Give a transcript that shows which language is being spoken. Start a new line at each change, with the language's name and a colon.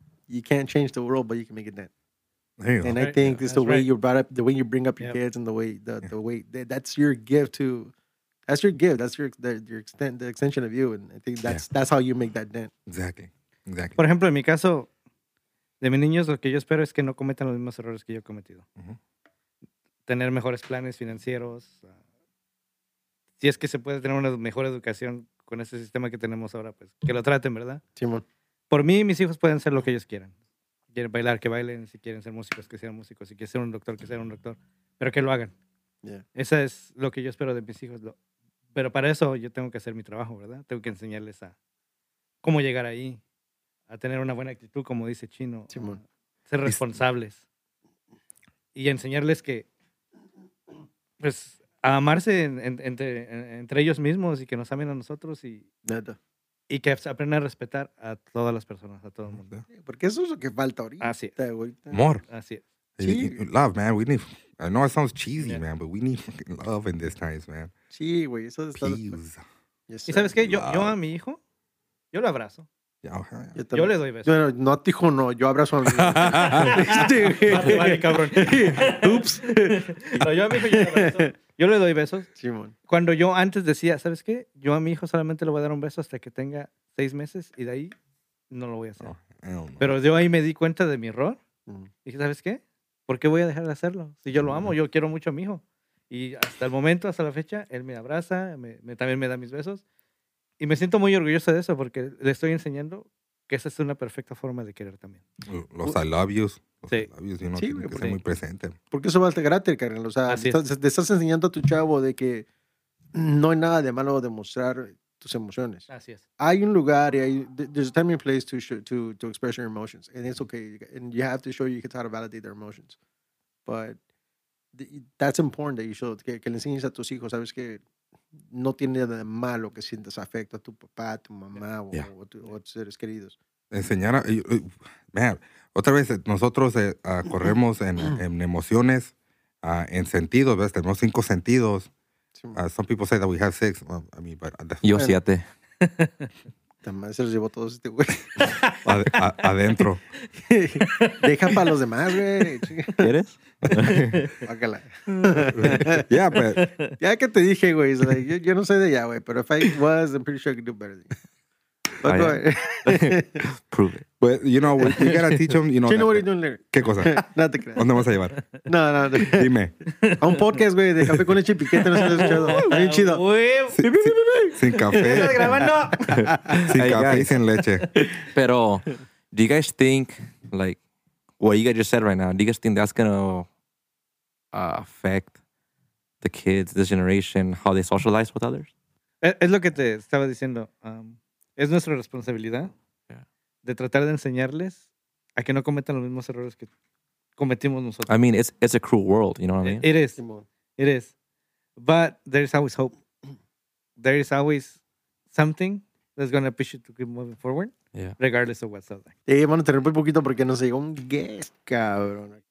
English: you can't change the world, but you can make it dent. And right. I think this the way right. you brought up, the way you bring up your yep. kids, and the way that's your gift to, that's your gift. That's your extent, the extension of you. And I think that's how you make that dent. Exactly.
Spanish: Por ejemplo, en mi caso, de mis niños, lo que yo espero es que no cometan los mismos errores que yo he cometido. Uh-huh. Tener mejores planes financieros. Si es que se puede tener una mejor educación con ese sistema que tenemos ahora, pues que lo traten, ¿verdad? Simón. Por mí, mis hijos pueden ser lo que ellos quieran. Quieren bailar, que bailen. Si quieren ser músicos, que sean músicos. Si quieren ser un doctor, que sean un doctor. Pero que lo hagan.
English: Yeah.
Spanish: Eso es lo que yo espero de mis hijos. Pero para eso yo tengo que hacer mi trabajo, ¿verdad? Tengo que enseñarles a cómo llegar ahí, a tener una buena actitud, como dice Chino. Simón. Ser responsables. Y enseñarles que, pues, a amarse entre ellos mismos y que nos amen a nosotros. Neta. Y que aprendan a respetar a todas las personas, a todo el mundo. Porque eso es lo que falta ahorita. Así es.
English: More.
Spanish: Así es.
English: Sí. Love, man. We need. I know it sounds cheesy, yeah. man, but we need fucking love in these times, man.
Spanish: Sí, güey. Eso es todo.
English: Yes,
Spanish: y sabes qué? Yo a mi hijo, yo lo abrazo.
English: Yeah.
Spanish: Yo le doy besos. No a ti, hijo, no. Yo abrazo a mi hijo. vale, cabrón. Oops. No, yo a mi hijo, yo lo abrazo. Yo le doy besos. Simón. Cuando yo antes decía, ¿sabes qué? Yo a mi hijo solamente le voy a dar un beso hasta que tenga 6 meses y de ahí no lo voy a hacer. Oh, pero yo ahí me di cuenta de mi error. Mm. Dije, ¿sabes qué? ¿Por qué voy a dejar de hacerlo? Si yo lo amo, yo quiero mucho a mi hijo. Y hasta el momento, hasta la fecha, él me abraza, me también me da mis besos. Y me siento muy orgulloso de eso porque le estoy enseñando que esa es una perfecta forma de querer también. Los
English: I love you's.
Spanish: Sí. Uno sí, tiene que ser muy presente. Porque eso va a ser gratis, carnal. O sea, te estás enseñando a tu chavo de que no hay nada de malo demostrar tus emociones. Así es. Hay un lugar y hay.
English: There's a time and place to express your emotions. And it's okay. And you have to show your kids how to validate their emotions. But that's important that you show.
Spanish: Que le enseñes a tus hijos, sabes que no tiene nada de malo que sientas afecto a tu papá, a tu mamá o a tus seres queridos. Enseñar a. Otra vez, nosotros corremos en emociones, en sentidos, ¿ves? Tenemos 5 sentidos.
English: Some people say that we have sex. Well, I mean, but
Spanish: yo siete. También se los llevó todos este güey. Adentro. Deja para los demás, güey. ¿Quieres? Bácala. Ya, yeah, pero ya que te dije, güey. Like, yo no soy de ya, güey. Pero
English: if I was, I'm pretty sure I could do better than you. Prove it. But you know, we gotta teach them. You know, Chino, what are you doing later?
Spanish: ¿Qué cosa? No te creas. ¿Dónde vas a llevar? No. Dime. A un podcast, güey, de café con leche y piquete. No se lo he escuchado. Ahí chido. Sin café. Grabando. Sin café y sin leche. Pero,
English: do you guys think, like, what you guys just said right now, do you guys think that's gonna affect the kids, this generation, how they socialize with others?
Spanish: Es lo que te estaba diciendo. Es nuestra responsabilidad de tratar de enseñarles a que no cometan los mismos errores que cometimos nosotros.
English: I mean, it's a cruel world, you know what I mean? It is. But there's always hope. There is always something that's going to push you to keep moving forward, regardless of what's out there.
Spanish: Y vamos a tener un poquito porque nos llegó un guest, cabrón.